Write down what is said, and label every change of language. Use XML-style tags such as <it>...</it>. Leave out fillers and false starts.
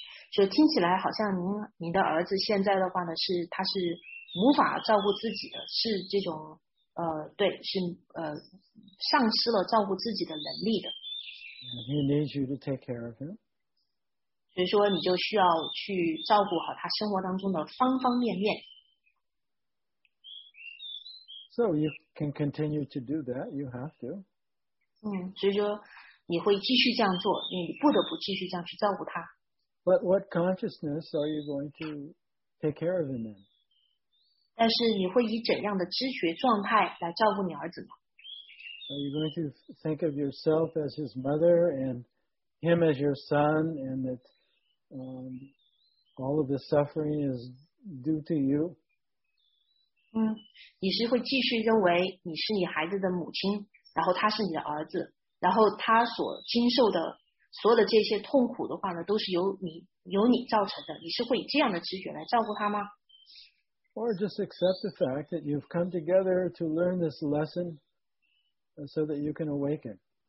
<zh>就听起来好像您的儿子现在的话呢是他是无法照顾自己的是这种对是丧失了照顾自己的能力的。</zh> <en>And he needs you to take care of him.</en> <zh>所以说你就需要去照顾好他生活当中的方方面面。</zh> <en>So you can continue to do that, you have to.</en> <zh>所以说你会继续这样做你不得不继续这样去照顾他。</zh> <en>But what consciousness are you going to take care of him in?</en> <zh>但是你会以怎样的知觉状态来照顾你儿子呢?</zh> <en>Are you going to think of yourself as his mother and him as your son and that all of the suffering is due to you?</en> <zh>你是会继续认为你是你孩子的母亲然后他是你的儿子然后他所经受的所有的这些痛苦的话呢都是由你造成的你是会以这样的直觉来照顾他吗</zh> <en>Or just accept the fact that you've come together to learn this lesson so that you can awaken.</en>